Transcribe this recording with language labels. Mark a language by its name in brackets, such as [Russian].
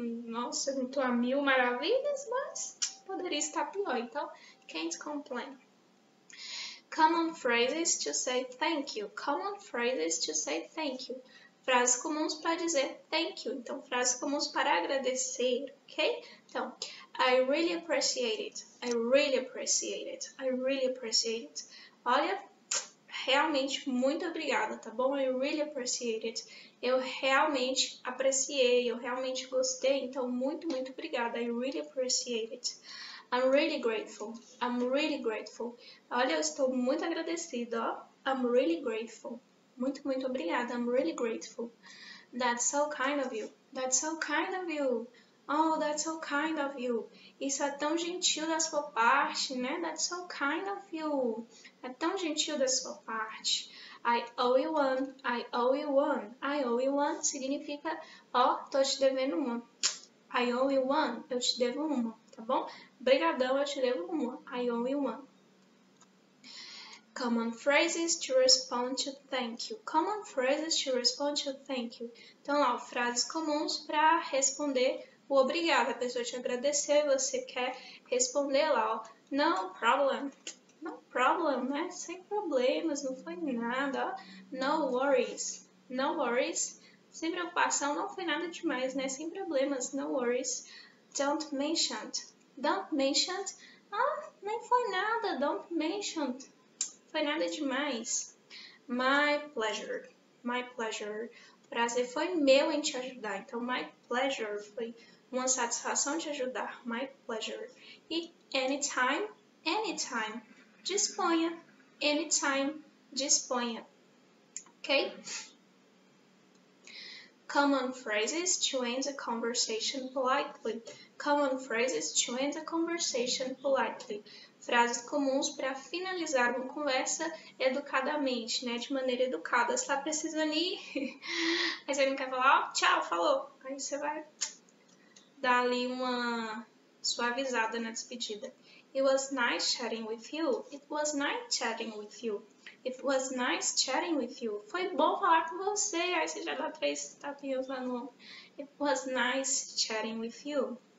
[Portuguese] Nossa, eu não tô a mil maravilhas, mas poderia estar pior. [English] Então, can't complain. Common phrases to say thank you. Common phrases to say thank you. [Portuguese] Frases comuns para dizer [English] thank you. [Portuguese] Então, frases comuns para agradecer, ok? [English] Então, I really appreciate it. I really appreciate it. I really appreciate it. [Portuguese] Olha, realmente, muito obrigada, tá bom? [English] I really appreciate it. [Portuguese] Eu realmente apreciei, eu realmente gostei. Então, muito, muito obrigada. [English] I really appreciate it. I'm really grateful. I'm really grateful. [Portuguese] Olha, eu estou muito agradecida, ó. [English] I'm really grateful. [Portuguese] Muito, muito obrigada. [English] I'm really grateful. That's so kind of you. That's so kind of you. Oh, that's so kind of you. [Portuguese] Isso é tão gentil da sua parte, né? [English] That's so kind of you. [Portuguese] É tão gentil da sua parte. [English] I owe you one. I owe you one. I owe you one [Portuguese] significa, ó, oh, tô te devendo uma. [English] I owe you one. [Portuguese] Eu te devo uma, tá bom? Brigadão, eu te devo uma. [English] I owe you one. Common phrases to respond to thank you. Common phrases to respond to thank you. [Portuguese] Então, ó, frases comuns para responder o obrigado, a pessoa te agradeceu e você quer responder lá, ó, [English] no problem, no problem, [Portuguese] né, sem problemas, não foi nada, ó, [English] no worries, no worries, [Portuguese] sem preocupação, não foi nada demais, né, sem problemas, no worries, [English] don't mention, don't mention, [Portuguese] ah, nem foi nada, don't mention, foi nada demais, [English] my pleasure, [Portuguese] prazer foi meu em te ajudar, então my pleasure foi Uma satisfação te ajudar. [English] My pleasure. E anytime, anytime. Disponha. [Portuguese] Anytime, disponha. Ok? [English] Common phrases to end a conversation politely. Common phrases to end a conversation politely. [Portuguese] Frases comuns para finalizar uma conversa educadamente, né? De maneira educada. Você está precisando ir? Aí você não quer falar, ó, tchau, falou. Aí você vai dar ali uma suavizada na despedida. [English] It was nice chatting with you. It was nice chatting with you. It was nice chatting with you. [Portuguese] Foi bom falar com você. Aí você já dá três tapinhas lá no... [English] It was nice chatting with you.